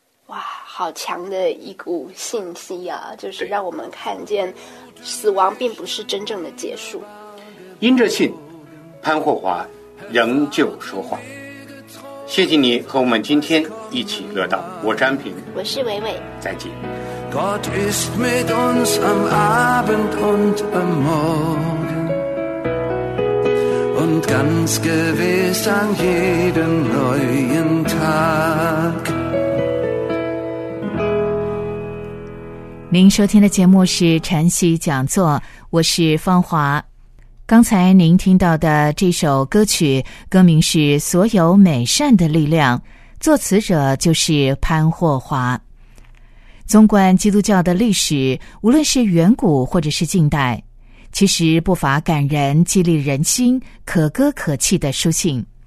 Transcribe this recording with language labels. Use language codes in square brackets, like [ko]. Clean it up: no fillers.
[zh] 哇，好强的一股信息啊，就是让我们看见死亡并不是真正的结束。因着信，潘火华仍旧说话。谢谢你和我们今天一起乐道，我是安平，我是伟伟，再见。 [de] Gott ist mit uns am Abend und am Morgen und ganz gewiss an jedem neuen Tag。 [zh] 您收听的节目是晨曦讲座，我是方华。刚才您听到的这首歌曲歌名是《所有美善的力量》，作词者就是潘火华。纵观基督教的历史，无论是远古或者是近代，其实不乏感人、激励人心、可歌可泣的书信。